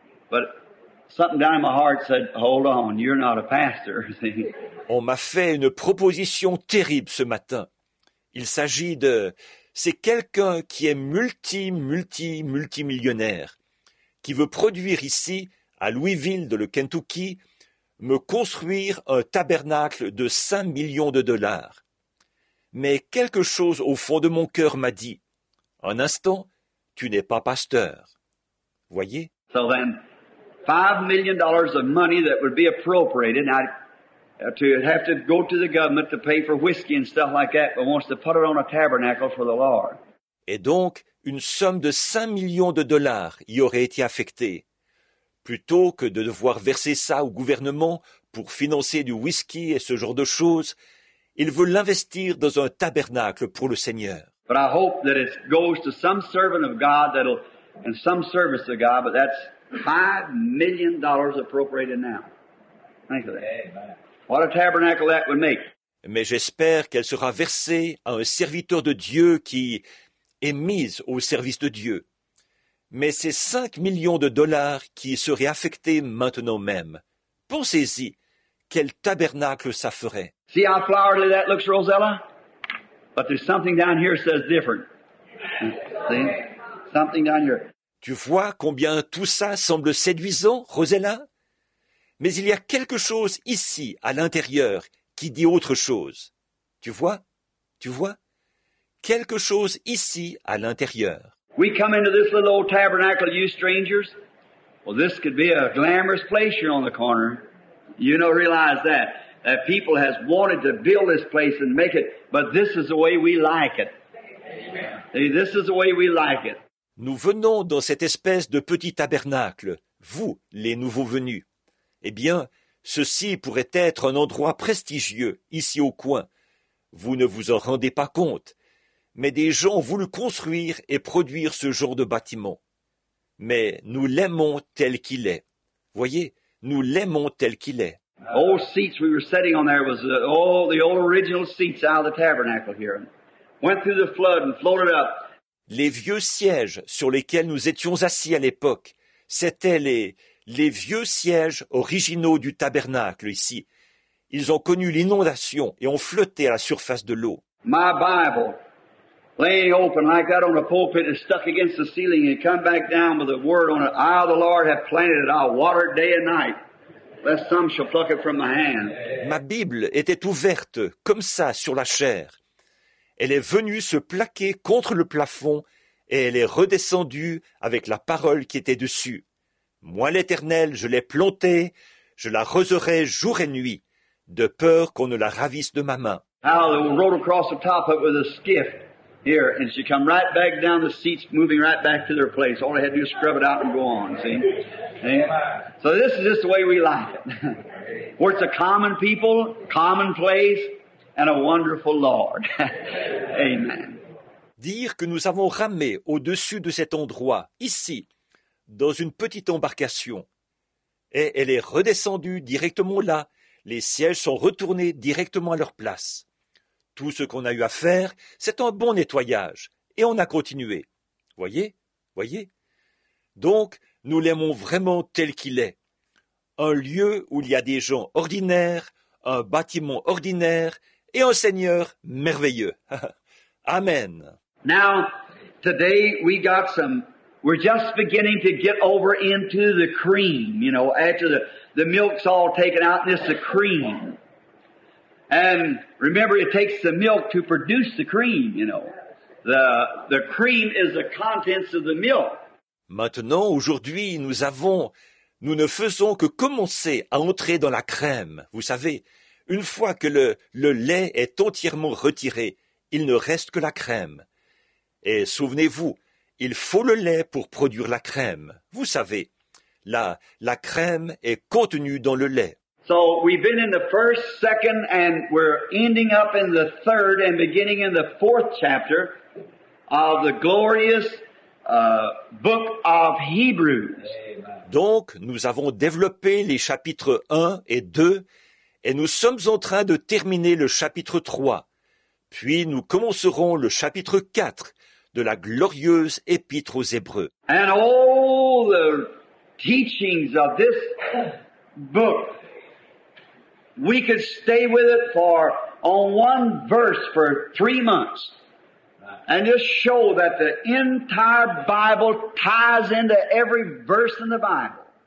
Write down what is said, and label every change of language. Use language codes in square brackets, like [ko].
[en] But something down in my heart said, hold on, you're not a pastor. [fr] On m'a fait une proposition terrible ce matin. Il s'agit de... C'est quelqu'un qui est multimillionnaire, qui veut produire ici, à Louisville, dans le Kentucky, me construire un tabernacle de $5 millions. Mais quelque chose au fond de mon cœur m'a dit, « Un instant, tu n'es pas pasteur. » Voyez? [en] So then, $5 million of money that would be appropriated, and to have to go to the government to pay for whiskey and stuff like that, but wants to put it on a tabernacle for the Lord. [fr] Et donc, une somme de $5 millions y aurait été affectée. Plutôt que de devoir verser ça au gouvernement pour financer du whisky et ce genre de choses, il veut l'investir dans un tabernacle pour le Seigneur. [en] But I hope that it goes to some servant of God that'll, and some service of God, but that's $5 million appropriated now. Thank you. Amen. What a tabernacle that would make. [fr] Mais j'espère qu'elle sera versée à un serviteur de Dieu qui est mise au service de Dieu. Mais c'est $5 millions qui seraient affectés maintenant même. Pensez-y, quel tabernacle ça ferait. [en] See how flowery that looks, Rosella? But there's something down here that says different. See? Something down here. [fr] Tu vois combien tout ça semble séduisant, Rosella? Mais il y a quelque chose ici, à l'intérieur, qui dit autre chose. Tu vois? Tu vois? Quelque chose ici, à l'intérieur. [en] We come into this little old tabernacle, you strangers. Well, this could be a glamorous place here on the corner. You don't realize that. That people has wanted to build this place and make it, but this is the way we like it. Amen. This is the way we like it. [fr] Nous venons dans cette espèce de petit tabernacle, vous, les nouveaux venus. Eh bien, ceci pourrait être un endroit prestigieux, ici au coin. vous ne vous en rendez pas compte, mais des gens ont voulu construire et produire ce genre de bâtiment. Mais nous l'aimons tel qu'il est. Voyez, nous l'aimons tel qu'il est. [en] Old seats we were sitting on there was all the old original seats out of the tabernacle here. Went through the flood and floated up. [fr] Les vieux sièges sur lesquels nous étions assis à l'époque, c'étaient les vieux sièges originaux du tabernacle ici. Ils ont connu l'inondation et ont flotté à la surface de l'eau. [en] My Bible, laying open like that on a pulpit and stuck against the ceiling and come back down with a word on it. I, the Lord, have planted it. I'll water it day and night. Lest some shall pluck it from my hand. [fr] Ma Bible était ouverte comme ça sur la chair. Elle est venue se plaquer contre le plafond et elle est redescendue avec la parole qui était dessus. Moi, l'Éternel, je l'ai plantée, je la roserai jour et nuit, de peur qu'on ne la ravisse de ma main. Alors, [en] elle rode across the top of it with a skiff here, and she come right back down the seats, moving right back to their place. All I had to do was scrub it out and go on, see? So this is just the way we like it. Where it's a common people, common place, and a wonderful Lord. Amen. [fr] Dire que nous avons ramé au-dessus de cet endroit, ici, dans une petite embarcation, et elle est redescendue directement là, les sièges sont retournés directement à leur place. Tout ce qu'on a eu à faire, c'est un bon nettoyage, et on a continué. Voyez, voyez. Donc, nous l'aimons vraiment tel qu'il est. Un lieu où il y a des gens ordinaires, un bâtiment ordinaire, et un Seigneur merveilleux. Amen. [en] Now, today we got some. We're just beginning to get over into the cream, you know, after the milk's all taken out, and it's the cream. And remember, it takes the milk to produce the cream, you know. The cream is the contents of the milk. [fr] Maintenant, aujourd'hui, nous ne faisons que commencer à entrer dans la crème. Vous savez, une fois que le lait est entièrement retiré, il ne reste que la crème. Et souvenez-vous, il faut le lait pour produire la crème. Vous savez, la crème est contenue dans le lait. [en] So we've been in the first, second, and we're ending up in the third and beginning in the fourth chapter of the glorious book of Hebrews. [fr] Donc, nous avons développé les chapitres 1 et 2 et nous sommes en train de terminer le chapitre 3. Puis nous commencerons le chapitre 4. De la glorieuse épître aux Hébreux. [en] And all the teachings of this book, we could stay with it for on one verse for 3 months, and just show that the entire Bible ties into every verse in the Bible.